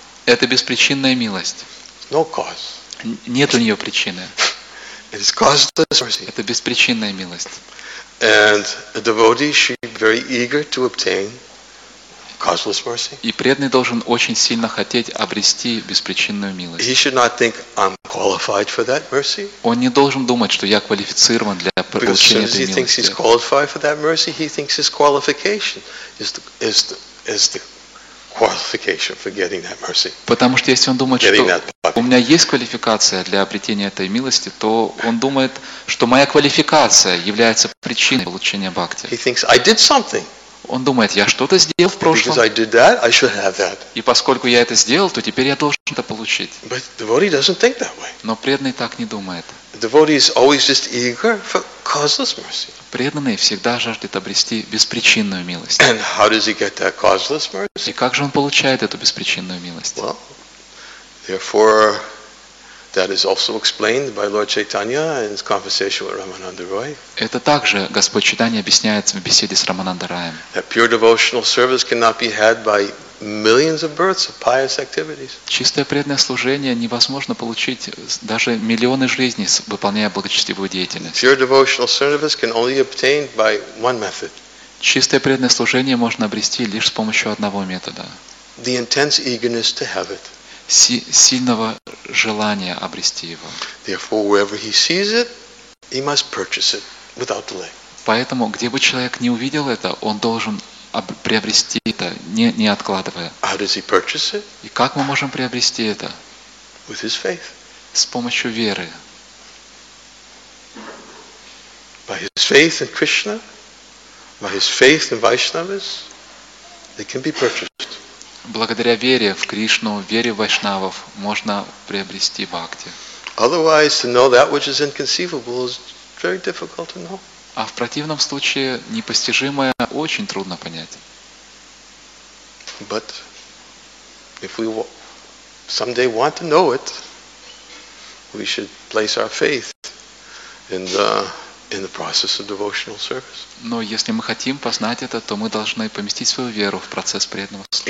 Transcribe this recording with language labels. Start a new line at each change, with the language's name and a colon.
Russian: Это беспричинная милость.
English: No cause.
Russian: Нет у нее причины.
English: It is causeless mercy.
Russian: Это беспричинная милость.
English: And a devotee should be very eager to obtain causeless mercy.
Russian: И преданный должен очень сильно хотеть обрести беспричинную милость.
English: He should not think I'm qualified for that mercy.
Russian: Он не должен думать, что я квалифицирован для получения этой милости.
English: He thinks he's qualified for that mercy. He thinks his qualification is the qualification for getting that mercy.
Russian: Потому что если он думает, что у меня есть квалификация для обретения этой милости, то он думает, что моя квалификация является причиной получения бхакти.
English: He thinks I did something.
Russian: Он думает, я что-то сделал в прошлом.
English: Because I did that, I should have that.
Russian: И поскольку я это сделал, то теперь я должен это получить.
English: But the devotee doesn't think that way.
Russian: Но преданный так не думает.
English: The devotee is always just eager for causeless mercy.
Russian: Преданный всегда жаждет обрести беспричинную милость.
English: And how does he get that causeless mercy?
Russian: И как же он получает эту беспричинную милость?
English: Well, therefore, that is also explained by Lord Chaitanya in his conversation with Ramananda Roy.
Russian: Это также Господь Чайтанья объясняет в беседе с Рамананда Роем.
English: That pure devotional service cannot be had by millions of births of pious activities.
Russian: Чистое преданное служение невозможно получить даже миллионы жизней, выполняя благочестивую деятельность.
English: Pure devotional service can only be obtained by one method.
Russian: Чистое преданное служение можно обрести лишь с помощью одного метода.
English: The intense eagerness to have it.
Russian: Сильного желания обрести его.
English: Therefore, wherever he sees it, he must purchase it without delay.
Russian: Поэтому, где бы человек не увидел это, он должен приобрести это, не откладывая.
English: How does he purchase it?
Russian: И как мы можем приобрести это?
English: With his faith.
Russian: С помощью веры.
English: By his faith in Krishna, by his faith in Vaishnavas, they can be purchased.
Russian: Благодаря вере в Кришну, вере в вайшнавов, можно приобрести бхакти.
English: Otherwise, to know that which is inconceivable is very difficult to know.
Russian: А в противном случае непостижимое очень трудно понять.
English: But if we someday want to know it, we should place our faith in the process of devotional service.
Russian: Но если мы хотим познать это, то мы должны поместить свою веру в процесс преданного